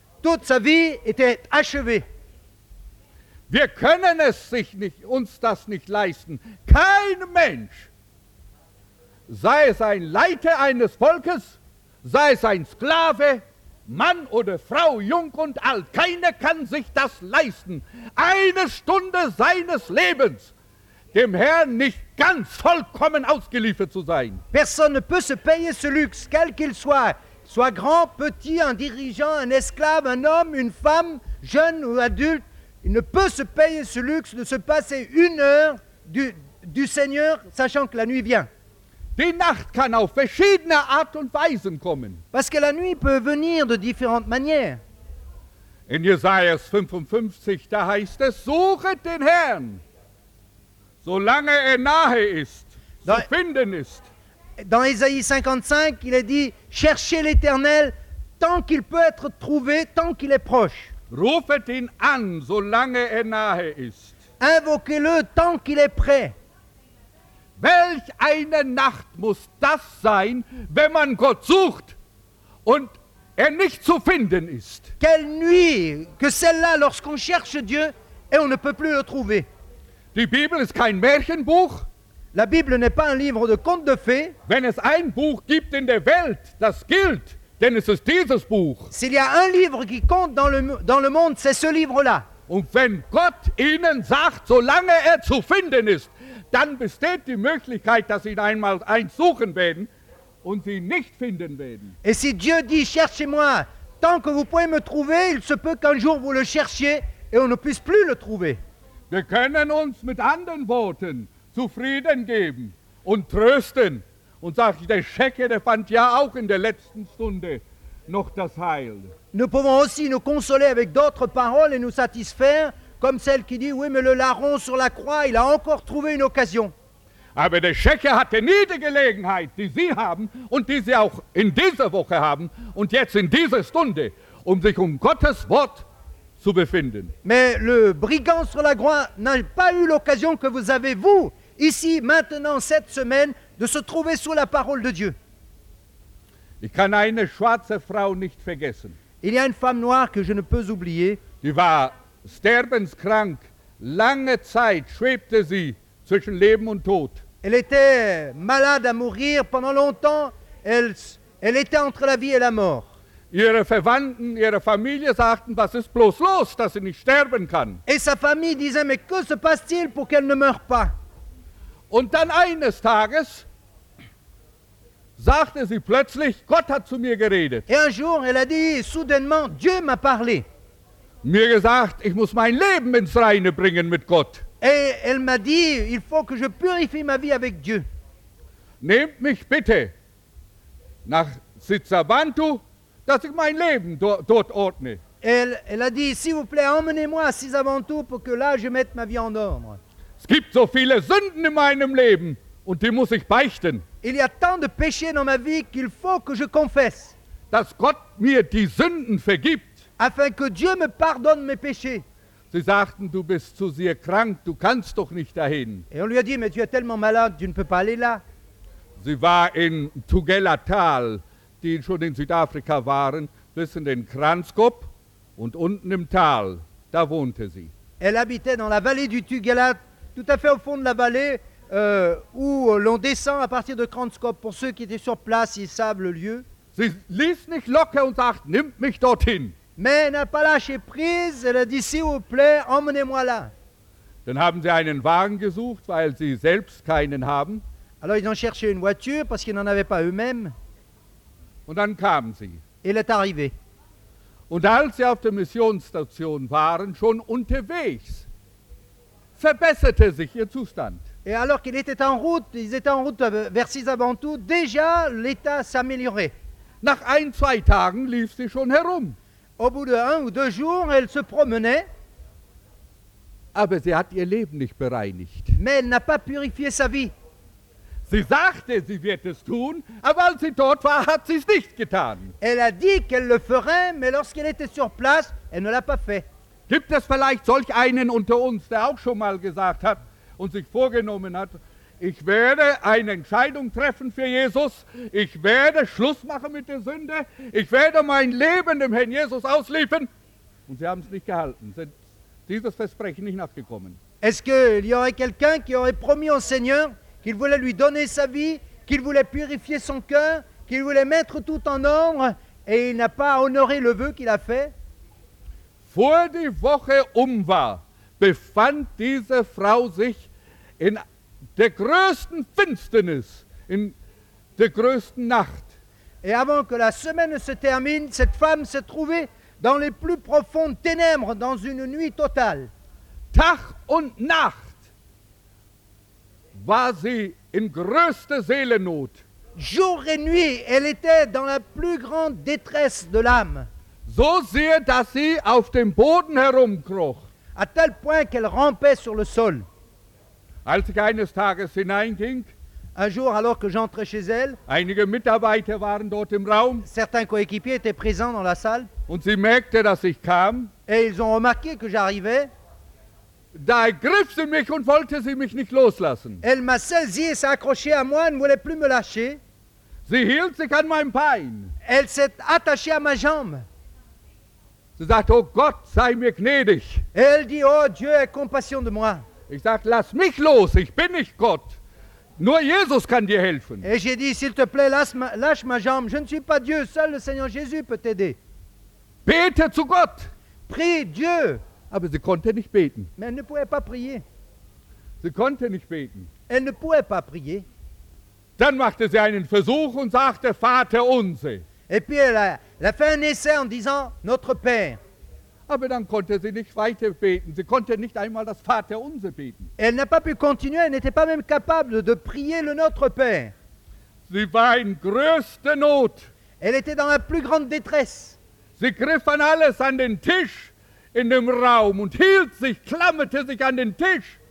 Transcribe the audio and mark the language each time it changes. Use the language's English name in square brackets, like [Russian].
[French] Toute sa vie était achevée. [German] Wir können es sich nicht, uns das nicht leisten. Kein Mensch, sei es ein Leiter eines Volkes, sei es ein Sklave, Mann oder Frau, jung und alt, keiner kann sich das leisten, eine Stunde seines Lebens dem Herrn nicht ganz vollkommen ausgeliefert zu sein. [French] Personne ne peut se payer ce luxe, quel qu'il soit, soit grand, petit, un dirigeant, un esclave, un homme, une femme, jeune ou adulte, il ne peut se payer ce luxe de se passer une heure du Seigneur, sachant que la nuit vient. [German] Die Nacht kann auf verschiedene Art und Weisen kommen. [French] Parce que la nuit peut venir de différentes manières. [German] In Jesaja 55, da heißt es, suchet den Herrn, solange er nahe ist, zu finden ist. [French] Dans Isaïe 55, il est dit, cherchez l'Éternel tant qu'il peut être trouvé, tant qu'il est proche. [German] Rufet ihn an, solange er nahe ist. [French] Invoquez-le tant qu'il est prêt. [German] Welch eine Nacht muss das sein, wenn man Gott sucht und er nicht zu finden ist. [French] Quelle nuit que celle-là lorsqu'on cherche Dieu et on ne peut plus le trouver. [German] Die Bibel ist kein Märchenbuch. [French] La Bible n'est pas un livre de contes de fées. [German] Wenn es ein Buch gibt in der Welt, das gilt, denn es ist dieses Buch. [French] S'il y a un livre qui compte dans le monde, c'est ce livre-là. [German] Und wenn Gott Ihnen sagt, solange er zu finden ist, dann besteht die Möglichkeit, dass Sie ihn einmal einsuchen werden und Sie nicht finden werden. [French] Et si Dieu dit, cherchez-moi, tant que vous pouvez me trouver, il se peut qu'un jour vous le cherchiez et on ne puisse plus le trouver. [German] Wir können uns mit anderen Worten zufrieden geben und trösten und sagen, der Schecke, der fand ja auch in der letzten Stunde noch das Heil. [French] Nous pouvons aussi nous consoler avec d'autres paroles et nous satisfaire, comme celle qui dit, oui, mais le larron sur la croix, il a encore trouvé une occasion. [German] Aber der Schecke hatte nie die Gelegenheit, die Sie haben und die Sie auch in dieser Woche haben und jetzt in dieser Stunde, um sich um Gottes Wort zu befinden. [French] Mais le brigand sur la croix n'a pas eu l'occasion que vous avez, vous, ici, maintenant, cette semaine, de se trouver sous la parole de Dieu. [German] Ich kann eine schwarze Frau nicht vergessen. [French] Il y a une femme noire que je ne peux oublier. [German] Die war sterbenskrank. Lange Zeit schwebte sie zwischen Leben und Tod. [French] Elle était malade à mourir pendant longtemps. Elle était entre la vie et la mort. [German] Ihre Verwandten, ihre Familie sagten, was ist bloß los, dass sie nicht sterben kann? [French] Et sa famille disait, mais que se passe-t-il pour qu'elle ne meure pas? [German] Und dann eines Tages sagte sie plötzlich, Gott hat zu mir geredet. [French] Et un jour, elle a dit, soudainement, Dieu m'a parlé. [German] Mir gesagt, ich muss mein Leben ins Reine bringen mit Gott. [French] Et elle m'a dit, il faut que je purifie ma vie avec Dieu. [German] Nehmt mich bitte nach Sitsabantu, dass ich mein Leben dort ordne. [French] Elle a dit, s'il vous plaît, emmenez-moi à Sisavantou pour que là je mette ma vie en ordre. [German] Es gibt so viele Sünden in meinem Leben und die muss ich beichten. [French] Il y a tant de péchés dans ma vie qu'il faut que je confesse. [German] Dass Gott mir die Sünden vergibt. [French] Afin que Dieu me pardonne mes péchés. [German] Sie sagten, du bist zu sehr krank, du kannst doch nicht dahin. [French] Et on lui a dit, mais tu es tellement malade, tu ne peux pas aller là. [German] Sie war in Tugela-Tal. Die schon in Südafrika waren, wissen den Kranskop und unten im Tal, da wohnte sie. [French] Elle habitait dans la vallée du Tugela, tout à fait au fond de la vallée, où l'on descend à partir de Kranskop. Pour ceux qui étaient sur place, ils savent le lieu. [German] Sie ließ nicht locker und sagt, nimm mich dorthin. [French] Mais elle n'a pas lâché prise, elle a dit, s'il vous plaît, emmenez-moi là. [German] Dann haben sie einen Wagen gesucht, weil sie selbst keinen haben. [French] Alors ils ont cherché une voiture, parce qu'ils n'en avaient pas eux-mêmes. [German] Und dann kamen sie. [French] Il est arrivé. [German] Und als sie auf der Missionsstation waren, schon unterwegs, verbesserte sich ihr Zustand. [French] Et alors qu'ils étaient en route, ils étaient en route vers Sisavantou, déjà l'état s'améliorait. [German] Nach ein, zwei Tagen lief sie schon herum. [French] Au bout de un ou deux jours, elle se promenait. [German] Aber sie hat ihr Leben nicht bereinigt. [French] Mais elle n'a pas purifié sa vie. [German] Sie sagte, sie wird es tun, aber als sie dort war, hat sie es nicht getan. [French] Elle a dit qu'elle le ferait, mais lorsqu'elle était sur place, elle ne l'a pas fait. [German] Gibt es vielleicht solch einen unter uns, der auch schon mal gesagt hat und sich vorgenommen hat, ich werde eine Entscheidung treffen für Jesus, ich werde Schluss machen mit der Sünde, ich werde mein Leben dem Herrn Jesus ausliefern? Und sie haben es nicht gehalten, sind dieses Versprechen nicht nachgekommen. [French] Est-ce qu'il y aurait quelqu'un qui aurait promis au Seigneur, qu'il voulait lui donner sa vie, qu'il voulait purifier son cœur, qu'il voulait mettre tout en ordre, et il n'a pas honoré le vœu qu'il a fait. [German] Vor die Woche um war, befand diese Frau sich in der größten Finsternis, in der größten Nacht. [French] Et avant que la semaine se termine, cette femme s'est trouvée dans les plus profondes ténèbres, dans une nuit totale. [German] Tag und Nacht war sie in größter Seelennot. [French] Jour et nuit, elle était dans la plus grande détresse de l'âme. [German] So sehr, dass sie auf dem Boden herumkroch. [French] À tel point qu'elle rampait sur le sol. [German] Als ich eines Tages hineinging, [French] un jour, alors que j'entrais chez elle, [German] einige Mitarbeiter waren dort im Raum, [French] certains coéquipiers étaient présents dans la salle, [German] und sie merkte, dass ich kam, [French] et ils ont remarqué que j'arrivais. [German] Da ergriff sie mich und wollte sie mich nicht loslassen. [French] Elle m'a saisi et s'est accrochée à moi, elle ne voulait plus me lâcher. [German] Sie hielt sich an mein Bein. [French] Elle s'est attachée à ma jambe. [German] Sie sagte, oh Gott, sei mir gnädig. [French] Et elle dit, oh Dieu, aie compassion de moi. [German] Ich sagte, lass mich los, ich bin nicht Gott. Nur Jesus kann dir helfen. [French] Et j'ai dit, s'il te plaît, lâche ma jambe. Je ne suis pas Dieu, seul le Seigneur Jésus peut t'aider. [German] Bete zu Gott. [French] Prie Dieu. [German] Aber sie konnte nicht beten. [French] Mais elle ne pouvait pas prier. [German] Sie konnte nicht beten. [French] Elle ne pouvait pas prier. [German] Dann machte sie einen Versuch und sagte, Vater unser. [French] Et puis elle a fait un essai en disant, notre Père. [German] Aber dann konnte sie nicht weiter beten. Sie konnte nicht einmal das Vater unser beten. [French] Elle n'a pas pu continuer, elle n'était pas même capable de prier le Notre Père. [German] Sie war in größter Not. [French] Elle était dans la plus grande détresse. [German] Sie griff an alles, an den Tisch. In dem Raum und hielt sich, klammerte sich an den Tisch.